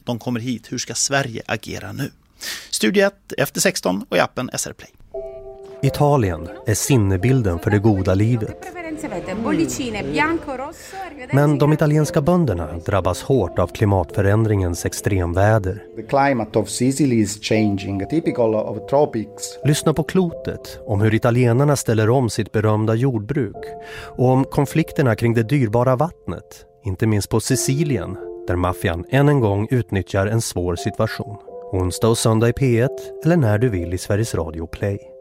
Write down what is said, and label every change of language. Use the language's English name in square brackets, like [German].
[Swedish] De kommer hit, hur ska Sverige agera nu? Studio 1 efter 16 och i appen SR Play. Italien är sinnebilden för det goda livet. Men de italienska bönderna drabbas hårt av klimatförändringens extremväder. [English] The climate of Sicily is changing, typical of tropics. [Swedish] Lyssna på Klotet om hur italienarna ställer om sitt berömda jordbruk och om konflikterna kring det dyrbara vattnet, inte minst på Sicilien, där maffian än en gång utnyttjar en svår situation. Onsdag och söndag i P1 eller när du vill i Sveriges Radio Play.